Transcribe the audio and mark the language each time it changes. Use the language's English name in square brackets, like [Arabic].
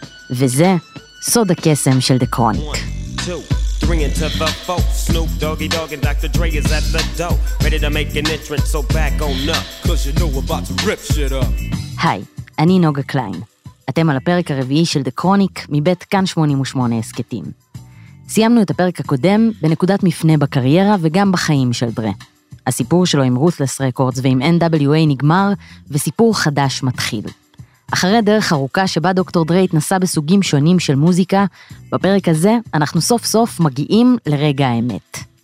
[Hebrew] וזה סוד הקסם של The Chronic. [English] Bringing to the folks, Snoop Doggy Dogg and Dr. Dre is at the door, ready to make an entrance, so back on up, cause you know we're about to rip shit up. [Hebrew] היי, אני נוגה קליין. אתם על הפרק הרביעי של The Chronic מבית כאן 88 הסקטים. סיימנו את הפרק הקודם בנקודת מפנה בקריירה וגם בחיים של דרה. הסיפור שלו עם Ruthless Records ועם NWA נגמר, וסיפור חדש מתחיל. אחרי דרך ארוכה שבה דוקטור דרי התנסה בסוגים שונים של מוזיקה, בפרק הזה אנחנו סוף סוף מגיעים לרגע האמת.